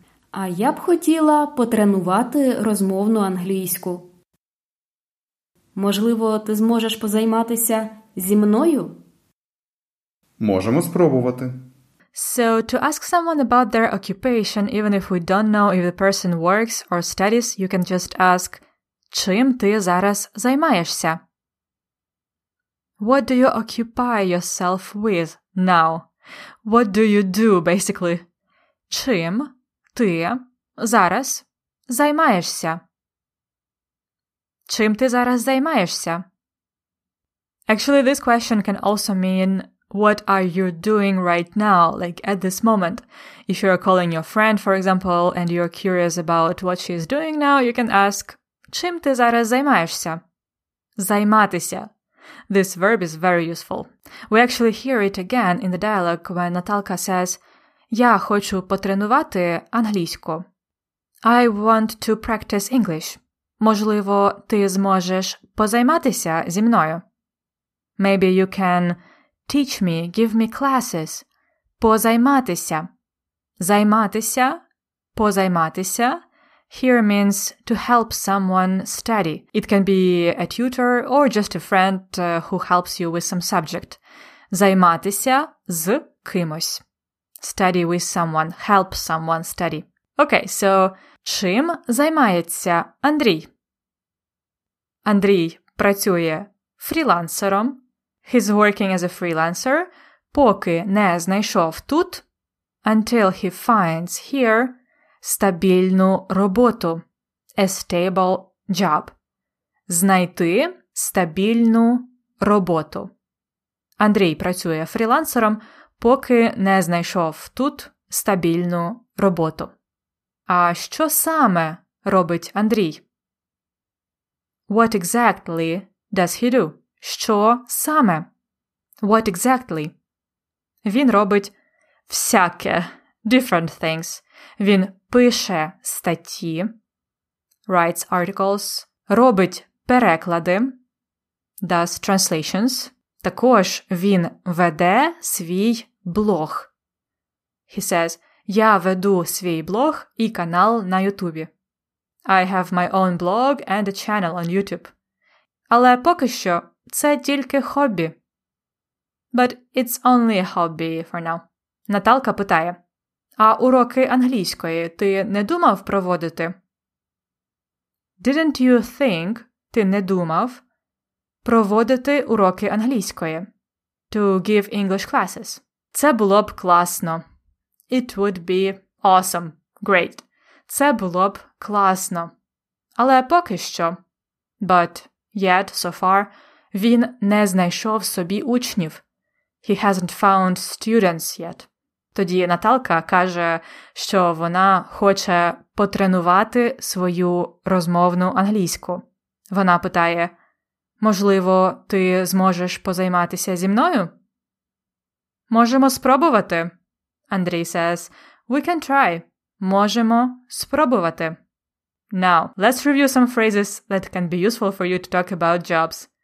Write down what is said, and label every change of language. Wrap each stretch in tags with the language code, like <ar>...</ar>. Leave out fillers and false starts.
<uk>А я б хотіла потренувати розмовну англійську. Можливо, ти зможеш позайматися зі мною? Можемо спробувати.</uk> <en>So, to ask someone about their occupation, even if we don't know if the person works or studies, you can just ask,</en> <uk>чим ти зараз займаєшся?</uk> <en>What do you occupy yourself with now? What do you do, basically?</en> <uk>Чим ти зараз займаєшся? Чим ти зараз займаєшся?</uk> <en>Actually, this question can also mean, what are you doing right now, like at this moment? If you're calling your friend, for example, and you're curious about what she's doing now, you can ask,</en> <uk>чим ти зараз займаєшся? Займатися.</uk> <en>This verb is very useful. We actually hear it again in the dialogue when Natalka says,</en> <uk>я хочу потренувати англійську.</uk> <en>I want to practice English.</en> <uk>Можливо, ти зможеш позайматися зі мною?</uk> <en>Maybe you can teach me, give me classes.</en> <uk>Позайматися. Займатися. Позайматися.</uk> <en>Here means to help someone study. It can be a tutor or just a friend who helps you with some subject.</en> <uk>Займатися з кимось.</uk> <en>Study with someone. Help someone study. Okay, so</en> <uk>чим займається</uk> <en>Андрій?</en> <uk>Андрій працює фрілансером.</uk> <en>He's working as a freelancer,</en> <uk>поки не знайшов тут,</uk> <en>until he finds here,</en> <uk>стабільну роботу,</uk> <en>a stable job.</en> <uk>Знайти стабільну роботу. Андрій працює фрілансером, поки не знайшов тут стабільну роботу. А що саме робить Андрій?</uk> <en>What exactly does he do?</en> <uk>Що саме?</uk> <en>What exactly?</en> <uk>Він робить всяке,</uk> <en>different things.</en> <uk>Він пише статті,</uk> <en>writes articles,</en> <uk>робить переклади,</uk> <en>does translations.</en> <uk>Також він веде свій блог.</uk> <en>He says,</en> <uk>я веду свій блог і канал на YouTube.</uk> <en>I have my own blog and a channel on YouTube.</en> <uk>Але поки що це тільки хобі.</uk> <en>But it's only a hobby for now.</en> <uk>Наталка питає, а уроки англійської ти не думав проводити?</uk> <en>Didn't you think,</en> <uk>ти не думав, Проводити уроки англійської.</uk> <en>To give English classes.</en> <uk>Це було б класно.</uk> <en>It would be awesome. Great.</en> <uk>Це було б класно. Але поки що.</uk> <en>But yet, so far,</en> <uk>він не знайшов собі учнів.</uk> <en>He hasn't found students yet.</en> <uk>Тоді Наталка каже, що вона хоче потренувати свою розмовну англійську. Вона питає, можливо, ти зможеш позайматися зі мною? Можемо спробувати.</uk> <en>Андрій says, we can try.</en> <uk>Можемо спробувати.</uk> <en>Now, let's review some phrases that can be useful for you to talk about jobs.</en>